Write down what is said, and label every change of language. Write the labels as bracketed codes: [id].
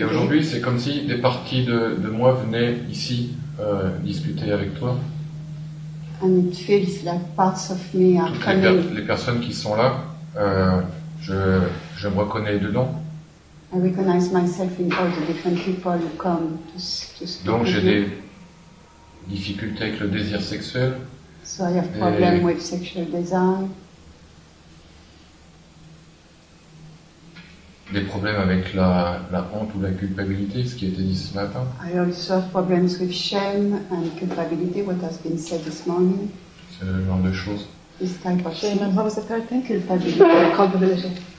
[fr] Et aujourd'hui, c'est comme si des parties de moi venaient ici discuter avec toi. [en] And it feels like parts of me are [fr] toutes [en] coming. [fr] Les personnes qui sont là, je me reconnais dedans. [en] I recognize myself in all the different people who come to speak. [fr] Donc j'ai des difficultés avec le désir sexuel. [en] So I have problem with sexual desire. [fr] Des problèmes avec la honte ou la culpabilité, ce qui a été dit ce matin. [en] I also have problems with shame and culpability, what has been said this morning. [fr] Ce genre de choses. [en] This type of shame and what was the third thing? Culpability.